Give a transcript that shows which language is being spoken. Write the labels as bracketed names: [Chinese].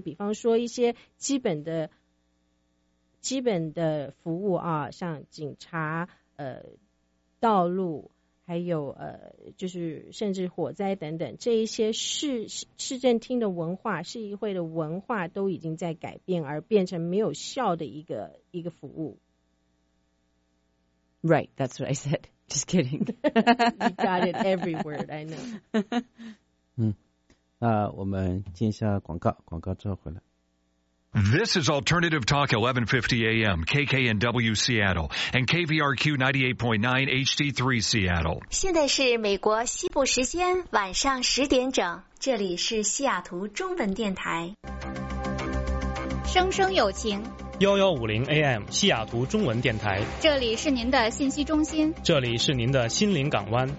[Chinese] 比方说一些基本的服务啊，像警察道路，还有就是甚至火灾等等，这一些市政厅的文化、市议会的文化都已经在改变，而变成没有效的一个服务。 [English] Right, that's what I said. Just kidding. You got it every word, I know. [Chinese] 那我们进一下广告，广告之后回来。 [English] This is Alternative Talk 1150 AM, KKNW Seattle, and KVRQ 98.9 HD3 Seattle. [Chinese] 现在是美国西部时间晚上十点整，这里是西雅图中文电台。声声有情。 1150 AM, 西雅图中文电台。这里是您的信息中心。这里是您的心灵港湾。